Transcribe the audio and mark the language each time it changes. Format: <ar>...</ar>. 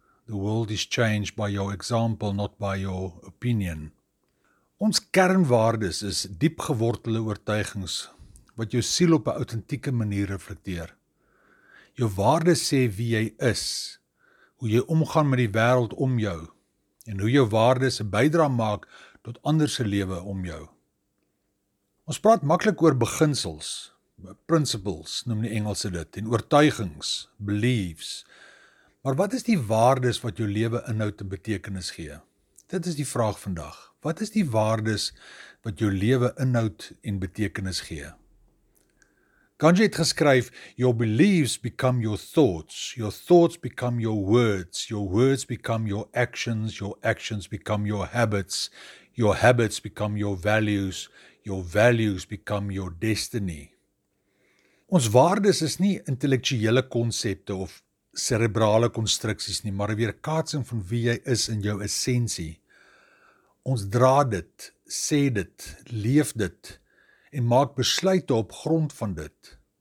<en>The world is changed by your example, not by your opinion.</en> <af>Ons kernwaardes is diep gewortelde oortuigings wat jou siel op 'n autentieke manier reflekteer. Jou waardes sê wie jy is, hoe jy omgaan met die wêreld om jou en hoe jou waardes 'n bydra maak tot ander se lewe om jou. Ons praat maklik oor beginsels, principles noem die Engelse dit, en oortuigings, beliefs. Maar wat is die waardes wat jou lewe inhoud en betekenis gee? Dit is die vraag vandag. Wat is die waardes wat jou lewe inhoud en betekenis gee? Gandhi het geskryf,</af> <en>"Your beliefs become your thoughts become your words become your actions become your habits become your values become your destiny."</en> <af>Ons waardes is nie intellektuele konsepte of cerebrale konstruksies nie, maar 'n weerkaatsing van wie jy is in jou essensie. Ons dra dit, sê dit, leef dit en maak besluite op grond van dit.</af>